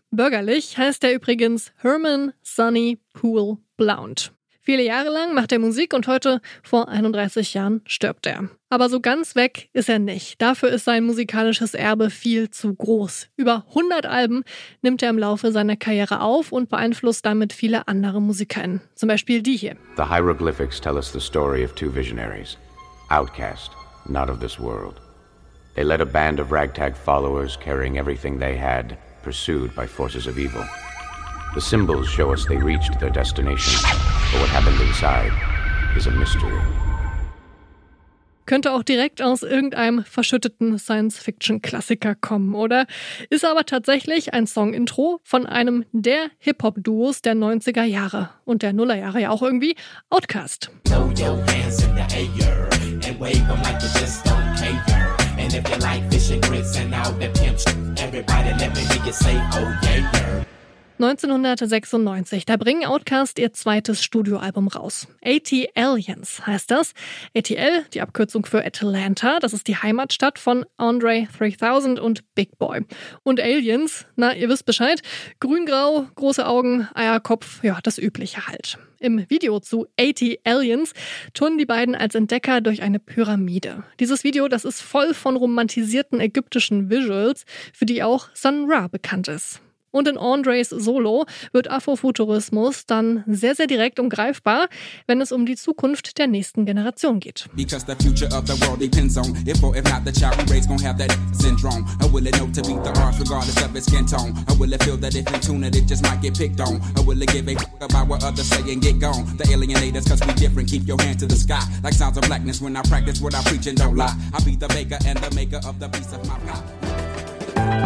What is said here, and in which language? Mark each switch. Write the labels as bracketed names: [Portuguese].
[German] Bürgerlich heißt er übrigens Herman Sonny Poole Blount. Viele Jahre lang macht er Musik und heute, vor 31 Jahren, stirbt er. Aber so ganz weg ist er nicht. Dafür ist sein musikalisches Erbe viel zu groß. Über 100 Alben nimmt er im Laufe seiner Karriere auf und beeinflusst damit viele andere MusikerInnen. Zum Beispiel die hier. [English] The hieroglyphics tell us the story of two visionaries. Outcast, not of this world. They led a band of ragtag followers carrying everything they had, pursued by forces of evil. The symbols show us they reached their destination. But what happened inside is a mystery. [German] Könnte auch direkt aus irgendeinem verschütteten Science-Fiction-Klassiker kommen, oder? Ist aber tatsächlich ein Song-Intro von einem der Hip-Hop-Duos der 90er Jahre und der Nullerjahre ja auch irgendwie, Outkast. [English] Throw your hands in the air and wave them like you just don't care. And if you like fish and grits and all the pimps, everybody let me make you say oh yeah, yeah. [German] 1996, da bringen Outkast ihr zweites Studioalbum raus. AT-Aliens heißt das. ATL, die Abkürzung für Atlanta, das ist die Heimatstadt von Andre 3000 und Big Boy. Und Aliens, na, ihr wisst Bescheid, grün-grau, große Augen, Eierkopf, ja, das Übliche halt. Im Video zu AT-Aliens turnen die beiden als Entdecker durch eine Pyramide. Dieses Video, das ist voll von romantisierten ägyptischen Visuals, für die auch Sun Ra bekannt ist. Und in Andres Solo wird Afrofuturismus dann sehr, sehr direkt und greifbar, wenn es um die Zukunft der nächsten Generation geht. [English] Because the future of the world depends on if or if not the child we raise gonna have that syndrome. I will it know to beat the odds regardless of its skin tone. I will it feel that if in tune it just might get picked on. I will it give a fuck about what others say and get gone. The alienators cause we different, keep your hands to the sky. Like sounds of blackness when I practice what I preach and don't lie. I'll be the baker and the maker of the piece of my pie.